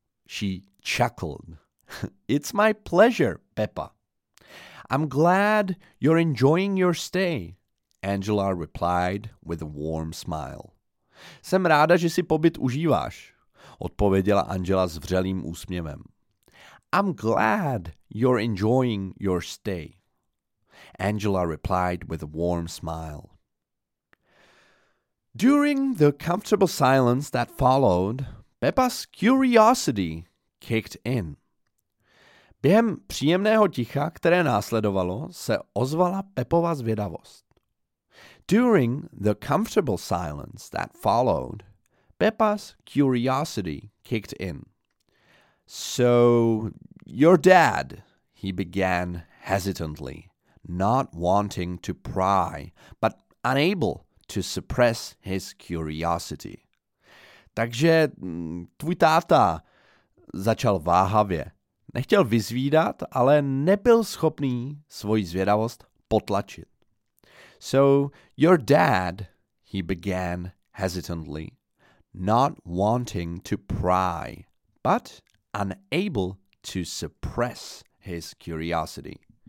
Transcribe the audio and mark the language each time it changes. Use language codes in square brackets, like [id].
[en] She chuckled. It's my pleasure, Pepa. I'm glad you're enjoying your stay, Angela replied with a warm smile. [cs] Jsem ráda, že si pobyt užíváš, odpověděla Angela s vřelým úsměvem. [en] I'm glad you're enjoying your stay, Angela replied with a warm smile. During the comfortable silence that followed, Pepa's curiosity kicked in. [cs] Během příjemného ticha, které následovalo, se ozvala Pepova zvědavost. [en] During the comfortable silence that followed, Pepa's curiosity kicked in. So, your dad, he began hesitantly, not wanting to pry, but unable to suppress his curiosity. [cs] Takže tvůj táta, začal váhavě. Nechtěl vyzvídat, ale nebyl schopný svoji zvědavost potlačit. [en] So your dad, he began hesitantly, not wanting to pry, but unable to suppress his curiosity.